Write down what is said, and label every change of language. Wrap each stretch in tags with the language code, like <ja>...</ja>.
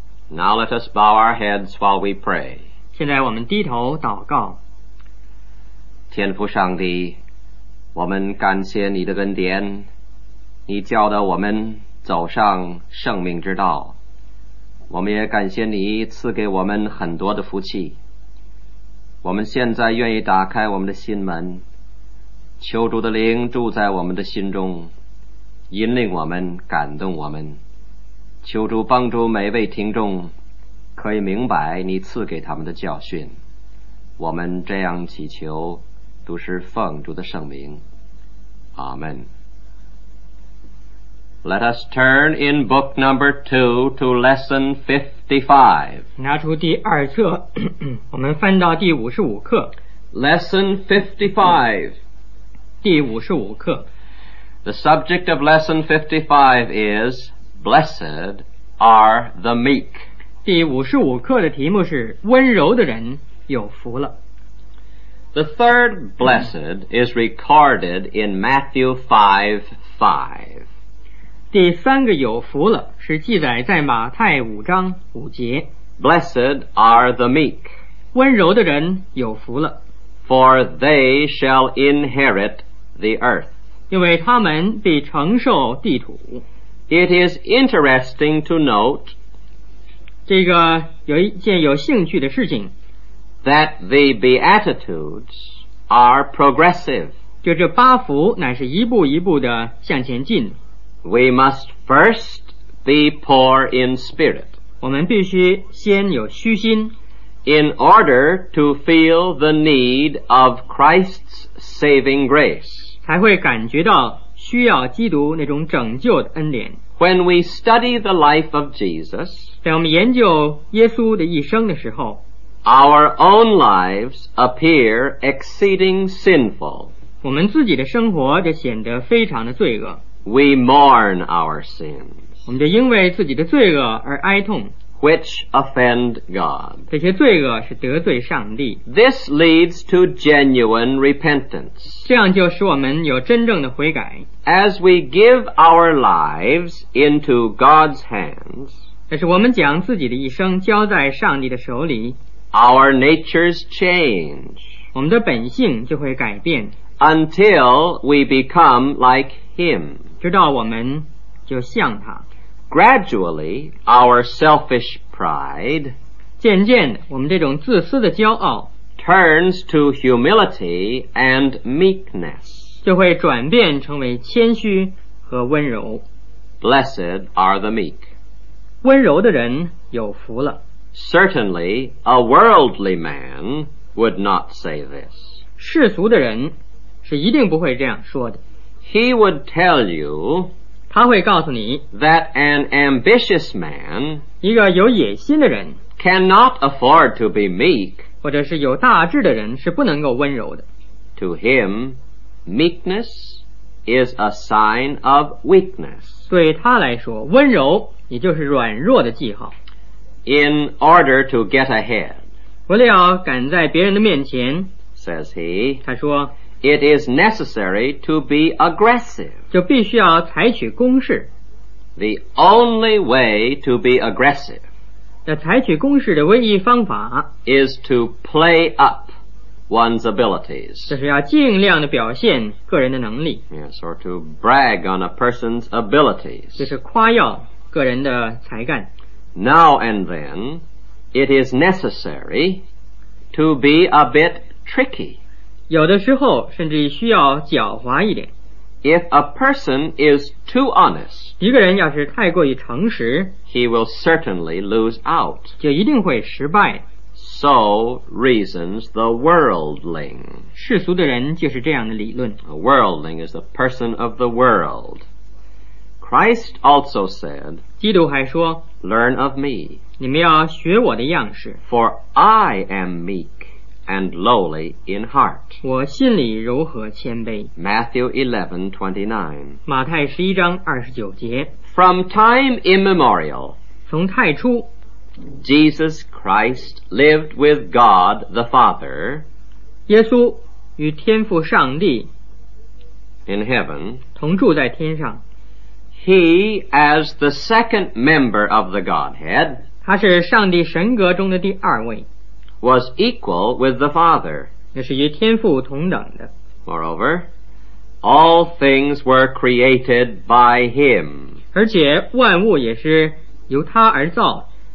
<en>Now let us bow our heads while we pray.</en> <zh>现在我们低头祷告。天父上帝，我们感谢你的恩典，你教导我们走上生命之道。我们也感谢你赐给我们很多的福气。我们现在愿意打开我们的心门，求主的灵住在我们的心中，引领我们，感动我们。求主帮助每位听众可以明白你赐给他们的教训。我们这样祈求，都是奉主的圣名，阿们。</zh> <en>Let us turn in book number 2 to lesson 55.</en> <zh>拿出第二册，咳咳，我们翻到第55课。</zh> <en>Lesson 55.</en> <zh>第55课。</zh> <en>The subject of lesson 55 is, Blessed are the meek.</en> <zh>第55课的题目是，温柔的人有福了。</zh> <en>The third blessed is recorded in Matthew 5:5.</en> <zh>第三个有福了，是记载在马太五章五节。</zh> <en>Blessed are the meek.</en> <zh>温柔的人有福了。</zh> <en>For they shall inherit the earth.</en> <zh>因为他们必承受地土。</zh> <en>It is interesting to note,</en> <zh>这个有一件有兴趣的事情，</zh> <en>that the Beatitudes are progressive.</en> <zh>就这八福乃是一步一步的向前进。</zh> <en>We must first be poor in spirit.</en> <zh>我们必须先有虚心。</zh> <en>In order to feel the need of Christ's saving grace.</en> <zh>才会感觉到需要基督那种拯救的恩典。</zh> <en>When we study the life of Jesus,</en> <zh>在我们研究耶稣的一生的时候，</zh> <en>Our own lives appear exceeding sinful.</en> <zh>我们自己的生活就显得非常的罪恶。</zh> <en>We mourn our sins.</en> <zh>我们就因为自己的罪恶而哀痛。</zh> <en>Which offend God.</en> <zh>这些罪恶是得罪上帝。</zh> <en>This leads to genuine repentance.</en> <zh>这样就使我们有真正的悔改。</zh> <en>As we give our lives into God's hands,</en> <zh>这是我们将自己的一生交在上帝的手里。</zh> <en>Our natures change.</en> <zh>我们的本性就会改变。</zh> <en>Until we become like him.</en> <zh>直到我们就像他。</zh> <en>Gradually, our selfish pride.</en> <zh>渐渐的，我们这种自私的骄傲。</zh> <en>Turns to humility and meekness.</en> <zh>就会转变成为谦虚和温柔。</zh> <en>Blessed are the meek.</en> <zh>温柔的人有福了。</zh> <en>Certainly, a worldly man would not say this.</en> <zh>世俗的人是一定不会这样说的。</zh> <en>He would tell you,</en> <zh>他会告诉你,</zh> <en>that an ambitious man,</en> <zh>一个有野心的人,</zh> <en>cannot afford to be meek,</en> <zh>或者是有大志的人是不能够温柔的。</zh> <en>To him, meekness is a sign of weakness.</en> <zh>对他来说,温柔也就是软弱的记号。</zh> <en>In order to get ahead,</en> <zh>为了赶在别人的面前,</zh> <en>says he,</en> <zh>他说,</zh> <en>it is necessary to be aggressive.</en> <zh>就必须要采取攻势。</zh> <en>The only way to be aggressive,</en> <zh>要采取攻势的唯一方法,</zh> <en>is to play up one's abilities.</en> <zh>就是要尽量的表现个人的能力。</zh> <en>Yes, or to brag on a person's abilities.</en> <zh>就是夸耀个人的才干。</zh> <en>Now and then, it is necessary to be a bit tricky.</en> <zh>有的时候甚至需要狡猾一点。</zh> <en>If a person is too honest,</en> <zh>一个人要是太过于诚实,</zh> <en>he will certainly lose out.</en> <zh>就一定会失败。</zh> <en>So reasons the worldling.</en> <zh>世俗的人就是这样的理论。</zh> <en>A worldling is the person of the world. Christ also said,</en> <zh>基督还说,</zh> <en>learn of me.</en> <zh>你们要学我的样式。</zh> <en>For I am meek. And lowly in heart.</en> <zh>我心里柔和谦卑。</zh> <en>Matthew 11:29.</en> <zh>马太十一章二十九节。</zh> <en>From time immemorial,</en> <zh>从太初</zh> <en>，Jesus Christ lived with God the Father.</en> <zh>耶稣与天父上帝</zh> <en>in heaven</en> <zh>同住在天上。</zh> <en>He as the second member of the Godhead.</en> <zh>他是上帝神格中的第二位。</zh> <en>Was equal with the Father.</en> <zh>那是与天父同等的。</zh> <en>Moreover, all things were created by him.</en> <zh>而且万物也是由他而造。</zh>